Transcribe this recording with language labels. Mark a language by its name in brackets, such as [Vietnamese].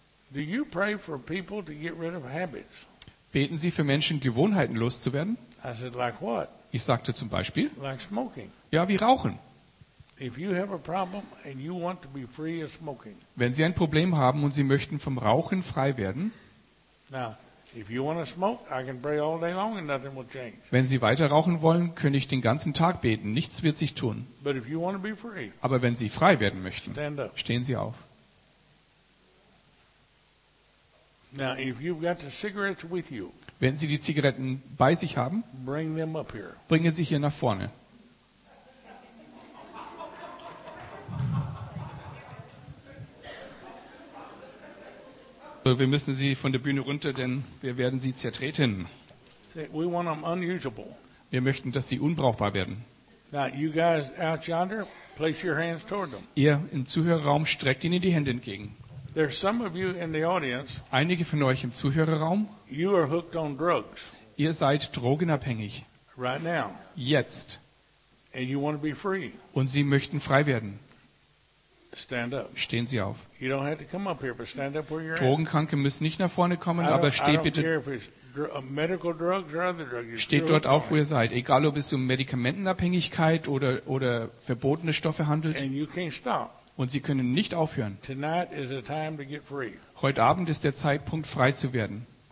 [English] do you pray for people to get rid of habits? [German] Beten Sie für Menschen, Gewohnheiten loszuwerden? [English] I said, like what? [German] Ich sagte zum Beispiel, [English] like smoking. [German] Ja, wie Rauchen. [English] If you have a problem and you want to be free of smoking. [German] Wenn Sie ein Problem haben und Sie möchten vom Rauchen frei werden. [English] Now, if you want to smoke, I can pray all day long and nothing will change. [German] Wenn Sie weiter rauchen wollen, könnte ich den ganzen Tag beten, nichts wird sich tun. [English] But if you want to be free. [German] Aber wenn Sie frei werden möchten, [English] stand up. [German] Stehen Sie auf. [English] Now, if you've got the cigarettes with you, [German] Wenn Sie die Zigaretten bei sich haben, [English] bring them up here. [German] Bringen Sie sie hier nach vorne. Wir müssen sie von der Bühne runter, denn wir werden sie zertreten. [English] We want them unusable. [German] Wir möchten, dass sie unbrauchbar werden. [English] Now you guys out yonder, place your hands toward them. [German] Ihr im Zuhörerraum, streckt ihnen die Hände entgegen. [English] There are some of you in the audience, [German] einige von euch im Zuhörerraum, [English] you are hooked on drugs. [German] Ihr seid drogenabhängig. [English] Right now. [German] Jetzt. [English] And you want to be free. [German] Und sie möchten frei werden. [English] Stand up. [German] Stehen Sie auf. [English] You don't have to come up here, but stand up where you're [German] Drogenkranke [English] at. [German] Müssen nicht nach vorne kommen, aber steht bitte. [English] Medical drugs or other drugs, [German] steht dort auf, wo ihr seid. Egal, ob es um Medikamentenabhängigkeit oder verbotene Stoffe handelt. [English] And you can't stop. [German] Und sie können nicht aufhören. [English] Tonight is the time to get free. [German] Heute Abend ist der Zeitpunkt, frei zu werden.